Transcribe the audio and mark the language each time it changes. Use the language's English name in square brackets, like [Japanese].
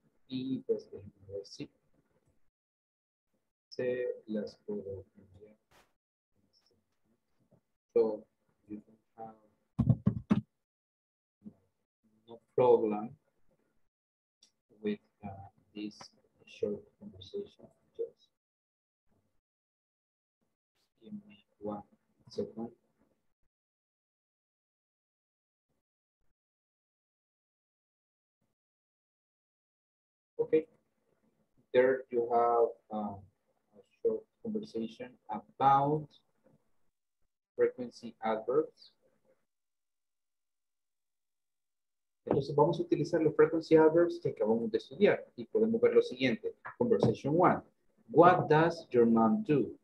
[Spanish] Y pues, déjenme ver si se las puedo enviar. [English] So, you don't have no problem with this short conversation. Just give me 1 second. Okay, there you have a short conversation about frequency adverbs. [Spanish] Entonces vamos a utilizar los [English] frequency adverbs [Spanish] que acabamos de estudiar y podemos ver lo siguiente. [English] Conversation one, what does your mom do?